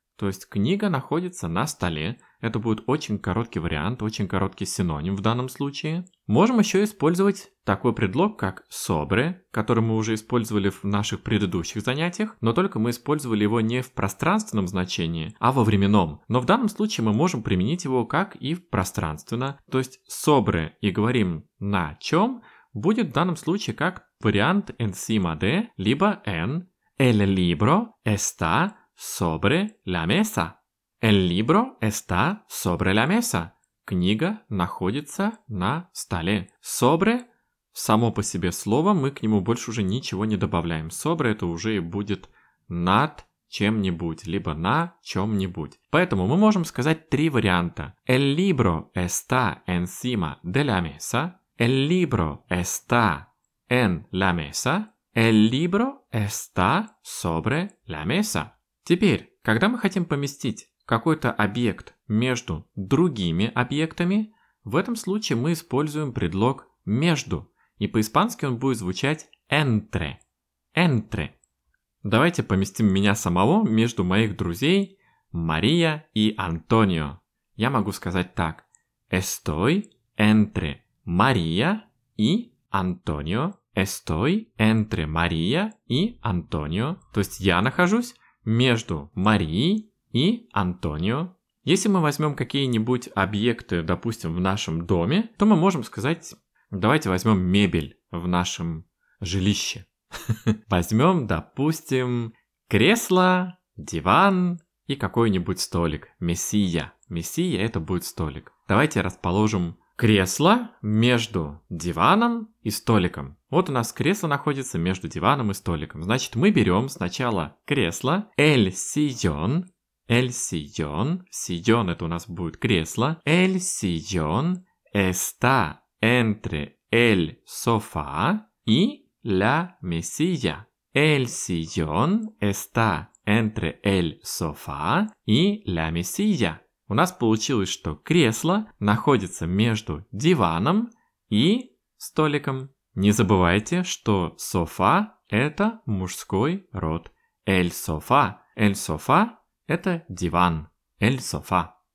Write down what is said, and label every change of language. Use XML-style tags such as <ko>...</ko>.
<ru>То есть книга находится на столе. Это будет очень короткий вариант, очень короткий синоним в данном случае. Можем еще использовать такой предлог, как sobre, который мы уже использовали в наших предыдущих занятиях, но только мы использовали его не в пространственном значении, а во временном. Но в данном случае мы можем применить его как и пространственно. То есть sobre и говорим на чем, будет в данном случае как вариант encima de, либо en.</ru> <es>El libro está sobre la mesa. El libro está sobre la mesa.</es> <ru>Книга находится на столе. Sobre, само по себе слово, мы к нему больше уже ничего не добавляем. Sobre это уже и будет над чем-нибудь, либо на чем-нибудь. Поэтому мы можем сказать три варианта.</ru> <es>El libro está encima de la mesa. El libro está en la mesa. El libro está sobre la mesa.</es> <ru>Теперь, когда мы хотим поместить какой-то объект между другими объектами, в этом случае мы используем предлог между, и по-испански он будет звучать entre.</ru> <es>Entre.</es> <ru>Давайте поместим меня самого между моих друзей Мария и Антонио. Я могу сказать так:</ru> <es>estoy entre María y Antonio. Estoy entre María y Antonio.</es> <ru>То есть я нахожусь между Марией и Антонио. Если мы возьмем какие-нибудь объекты, допустим, в нашем доме, то мы можем сказать, давайте возьмем мебель в нашем жилище. Возьмем, допустим, кресло, диван и какой-нибудь столик. Месия. Месия это будет столик. Давайте расположим кресло между диваном и столиком. Вот у нас кресло находится между диваном и столиком. Значит, мы берем сначала кресло.</ru> <es>El sillón. El sillón.</es> <ru>Sillón это у нас будет кресло.</ru> <es>El sillón está entre el sofá y la mesilla. El sillón está entre el sofá y la mesilla.</es> <ru>У нас получилось, что кресло находится между диваном и столиком. Не забывайте, что софа – это мужской род. Эль софа. Эль софа – это диван. Эль софа.</ru>